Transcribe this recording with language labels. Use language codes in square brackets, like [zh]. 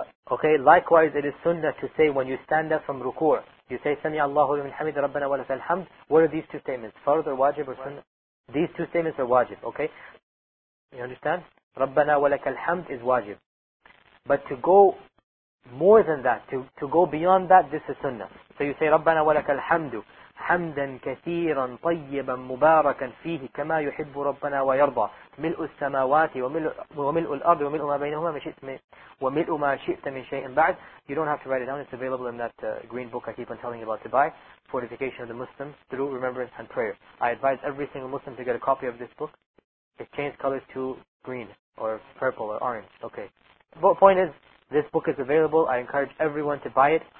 [en] Okay, likewise, it is sunnah to say when you stand up from ruku', you say, [ar] Sami Allahu min hamid rabbana wa lakal hamd. [en] What are these 2 statements? Fard or wajib or sunnah? What? These 2 statements are wajib, okay? You understand? [ar] Rabbana wa lakal hamd [en] is wajib. But to go more than that, to go beyond that, this is sunnah. [ar] So you say, Rabbana wa lakal hamdu. حمداً كثيراً طيباً مباركاً فيه كما يحب ربنا ويرضى ملء السماوات وملء الأرض وملء ما بينهما وملء ما شئت من شيء بعد. [en] You don't have to write it down. It's available in that green book I keep on telling you about to buy, Fortification of the Muslim Through Remembrance and Prayer. I advise every single Muslim to get a copy of this book. It changed colors to green or purple or orange. Okay. But point is, this book is available. I encourage everyone to buy it.